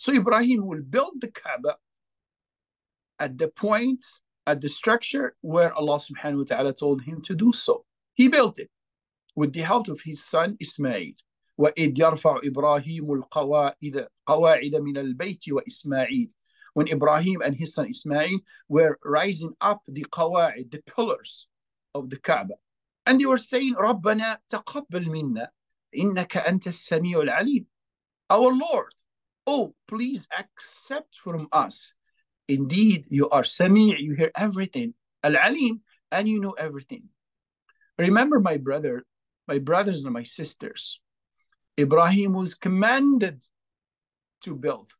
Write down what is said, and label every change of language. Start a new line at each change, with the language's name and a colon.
English: So Ibrahim will build the Kaaba at the point, at the structure where Allah subhanahu wa ta'ala told him to do so. He built it with the help of his son Ismail.
Arabic: وَإِذْ يَرْفَعُ إِبْرَاهِيمُ الْقَوَاعِدَ مِنَ الْبَيْتِ وَإِسْمَعِيلِ.
English: When Ibrahim and his son Ismail were rising up the قَوَاعِد, the pillars of the Kaaba. And they were saying,
Arabic: رَبَّنَا تَقَبَّلْ مِنَّا إِنَّكَ أَنْتَ السَّمِيعُ الْعَلِيمُ.
English: Our Lord, oh, please accept from us. Indeed, you are Sami', you hear everything, Al-Alim, and you know everything. Remember, my brothers and my sisters, Ibrahim was commanded to build.